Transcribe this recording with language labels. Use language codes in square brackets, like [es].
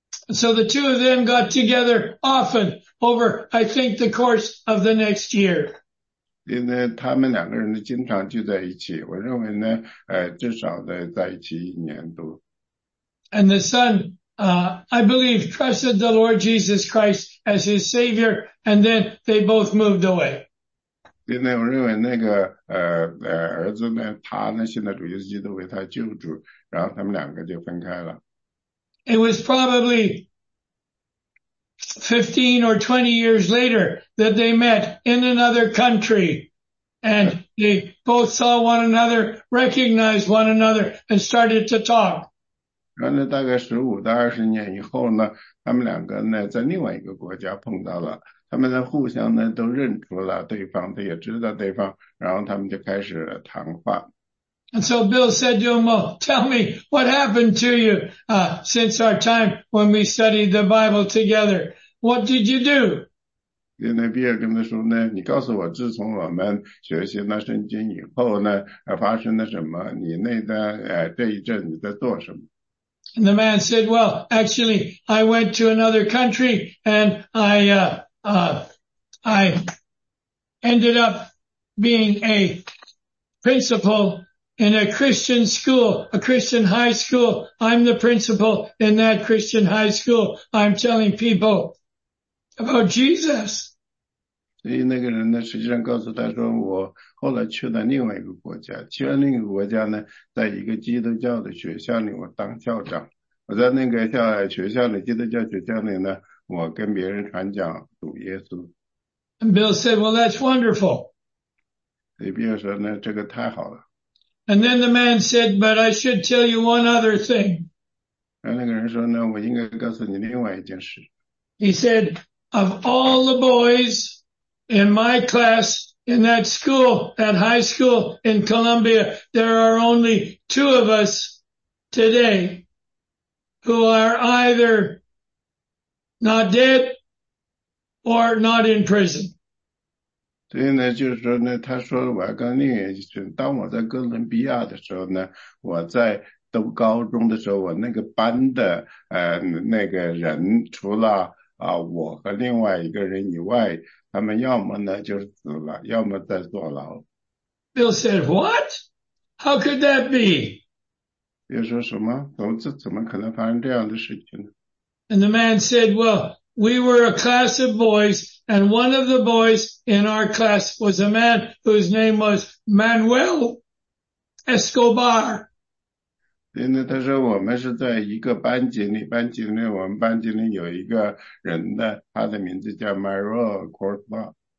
[en] So the two of them got together often over, I think, the course of the next year. [zh] 因为他们两个人经常聚在一起我认为呢至少呢在一起一年多。 [en] And the son, I believe, trusted the Lord Jesus Christ as his savior, and then they both moved away. [zh] 因为我认为那个儿子呢他呢信了主耶稣基督为他救主然后他们两个就分开了。 [en] It was probably 15 or 20 years later that they met in another country and they both saw one another, recognized one another and started to talk. [zh] 然后大概15到20年以后呢他们两个呢在另外一个国家碰到了他们呢互相呢都认出了对方他也知道对方然后他们就开始谈话。 [en] And so Bill said to him, well, tell me what happened to you, since our time when we studied the Bible together. What did you do? [zh] 因为比尔跟他说呢你告诉我自从我们学习那圣经以后呢发生了什么你那段这一阵你在做什么。 [en] And the man said, well, actually, I went to another country and I ended up being a principal in a Christian school, a Christian high school. I'm the principal in that Christian high school. I'm telling people about Jesus. [zh] 所以那个人呢实际上告诉他说我后来去了另外一个国家去了另一个国家呢在一个基督教的学校里我当校长。我在那个校学校里基督教学校里呢我跟别人传讲主耶稣。 [en] And Bill said, well, that's wonderful. [zh] 所以 Bill 说呢这个太好了。 [en] And then the man said, but I should tell you one other thing. [zh] 那个人说呢我应该告诉你另外一件事。 [en] He said, of all the boys in my class, in that school, that high school in Colombia, there are only two of us today who are either not dead or not in prison. [zh] 所以呢就是说呢他说我要跟另一群当我在哥伦比亚的时候呢我在读高中的时候我那个班的那个人除了我和另外一个人以外他们要么呢就是死了要么在坐牢。 [en] Bill said, what? How could that be? [zh] Bill 说什么这怎么可能发生这样的事情呢 [en] And the man said, well,We were a class of boys, and one of the boys in our class was a man whose name was Manuel Escobar. [zh] 因为他说我们是在一个班级里，班级里我们班级里有一个人的，他的名字叫 Manuel Escobar.